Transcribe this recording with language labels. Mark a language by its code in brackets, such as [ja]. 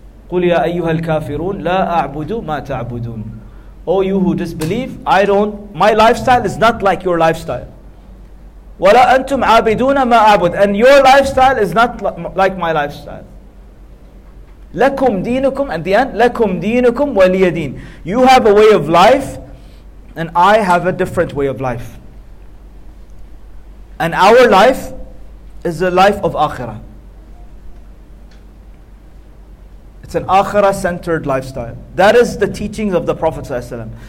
[ar] قُلْ يَا أَيُّهَا الْكَافِرُونَ لَا أَعْبُدُ مَا تَعْبُدُونَ. [en] O you who disbelieve, my lifestyle is not like your lifestyle. [ar] وَلَا أَنْتُمْ عَابِدُونَ مَا أَعْبُدُ. [en] And your lifestyle is not like my lifestyle. [ar] لَكُمْ دِينُكُمْ. [en] At the end, [ar] لَكُمْ دِينُكُمْ وَلِيَ دِينَ. [en] You have a way of life, and I have a different way of life. And our life is the life of akhirah. It's an akhirah-centered lifestyle. That is the teachings of the Prophet ﷺ.